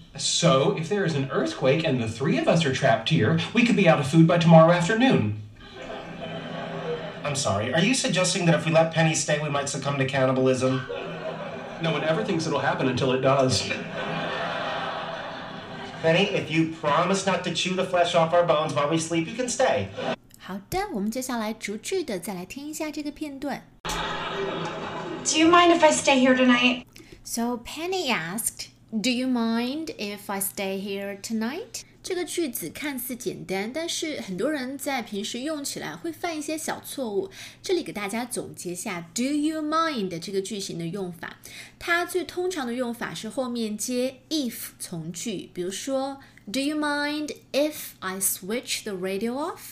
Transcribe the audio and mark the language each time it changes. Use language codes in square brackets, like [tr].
[en] So, if there is an earthquake and the three of us are trapped here, we could be out of food by tomorrow afternoon. I'm sorry, are you suggesting that if we let Penny stay, we might succumb to cannibalism? No one ever thinks it'll happen until it does. Penny, if you promise not to chew the flesh off our bones while we sleep, you can stay. [zh] 好的，我们接下来逐句的再来听一下这个片段。 [en] Do you mind if I stay here tonight? So Penny asked, Do you mind if I stay here tonight? [zh] 这个句子看似简单，但是很多人在平时用起来会犯一些小错误。这里给大家总结下 [en] Do you mind [zh] 这个句型的用法。它最通常的用法是后面接 if 从句，比如说 [en] Do you mind if I switch the radio off?